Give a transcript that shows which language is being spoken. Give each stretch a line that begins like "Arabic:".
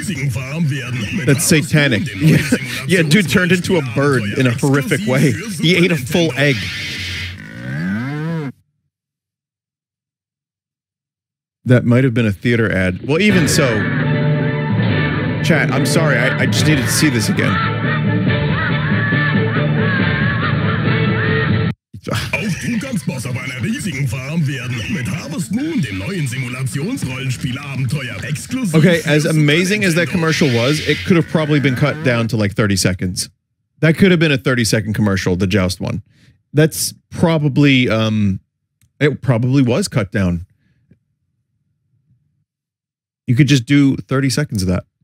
English: That's satanic. Yeah, dude turned into a bird in a horrific way. He ate a full egg. That might have been a theater ad. Well, even so, chat, I'm sorry. I just needed to see this again.
German: Auch du kannst Boss auf einer riesigen Farm werden. Mit Harvest Moon, dem neuen Simulationsrollenspielabenteuer exklusiv.
English: Okay, as amazing as that commercial was, it could have probably been cut down to like 30 seconds. That could have been a 30-second commercial, the Joust one. That's probably, it probably was cut down. You could just do 30 seconds of that.